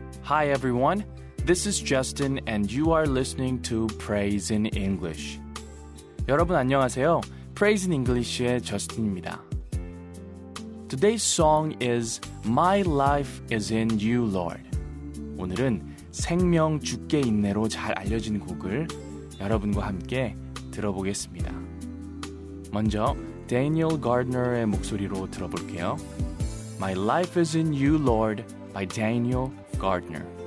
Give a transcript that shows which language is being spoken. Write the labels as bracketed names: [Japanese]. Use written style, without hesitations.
[English] Hi everyone, this is Justin and you are listening to Praise in English. [Korean] 여러분 안녕하세요. Praise in English의 Justin입니다. [English] Today's song is My Life is in You, Lord. [Korean] 오늘은 생명 주께 있네로 잘 알려진 곡을 여러분과 함께 들어보겠습니다. 먼저 Daniel Gardner의 목소리로 들어볼게요. [English] My Life is in You, Lord by Daniel Gardner.